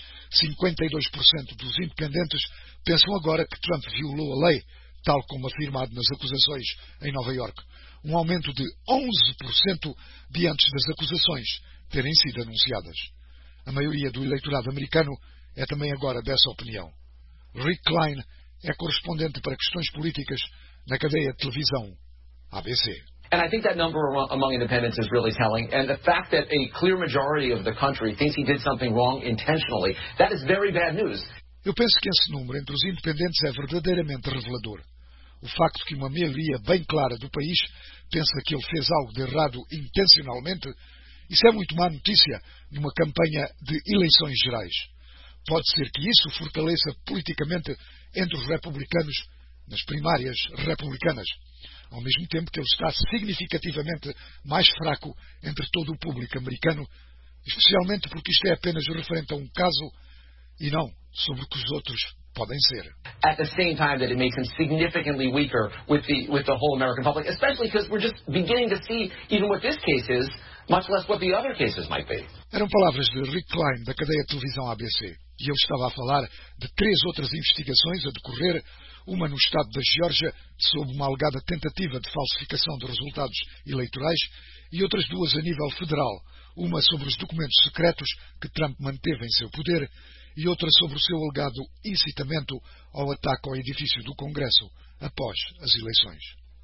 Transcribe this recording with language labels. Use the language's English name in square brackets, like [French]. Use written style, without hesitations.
[Portuguese] 52% dos independentes pensam agora que Trump violou a lei, tal como afirmado nas acusações em Nova York, um aumento de 11% diante das acusações terem sido anunciadas. A maioria do eleitorado americano é também agora dessa opinião. Rick Klein é correspondente para questões políticas na cadeia de televisão ABC. [English] And I think that number among independents is really telling. And the fact that a clear majority of the country thinks he did something wrong intentionally, that is very bad news. [Portuguese] Eu penso que esse número entre os independentes é verdadeiramente revelador. O facto que uma maioria bem clara do país pensa que ele fez algo de errado intencionalmente, isso é muito má notícia numa campanha de eleições gerais. Pode ser que isso fortaleça politicamente entre os republicanos nas primárias republicanas, ao mesmo tempo que ele está significativamente mais fraco entre todo o público americano, especialmente porque isto é apenas referente a um caso e não sobre o que os outros podem ser. [English] At the same time that it makes him significantly weaker with the whole American public, especially because we're just beginning to see even what this case is, much less what the other cases might be. [Portuguese] Eram palavras de Rick Klein, da cadeia de televisão ABC, e eu estava a falar de três outras investigações a decorrer, uma no estado da Geórgia, sob uma alegada tentativa de falsificação de resultados eleitorais, e outras duas a nível federal, uma sobre os documentos secretos que Trump manteve em seu poder, e outra sobre o seu alegado incitamento ao ataque ao edifício do Congresso após as eleições.